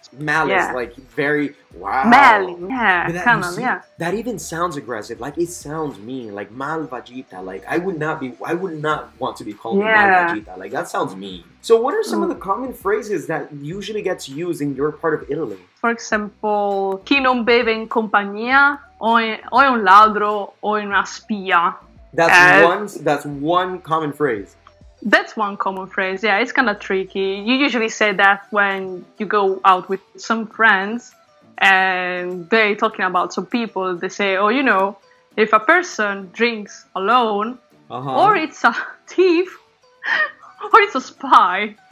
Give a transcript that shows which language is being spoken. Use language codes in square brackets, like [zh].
[en] Malice, yeah. Like very, wow. Malice, yeah, kind of, yeah. That even sounds aggressive. Like it sounds mean, like malvagita. Like I would not want to be called malvagita. Like that sounds mean. So what are some of the common phrases that usually gets used in your part of Italy? For example, [it] chi non beve in compagnia, o è un ladro, o è una spia. [en] That's one common phrase. That's one common phrase, yeah, it's kind of tricky. You usually say that when you go out with some friends and they're talking about some people. They say, oh, you know, if a person drinks alone, uh-huh. Or it's a thief, or it's a spy.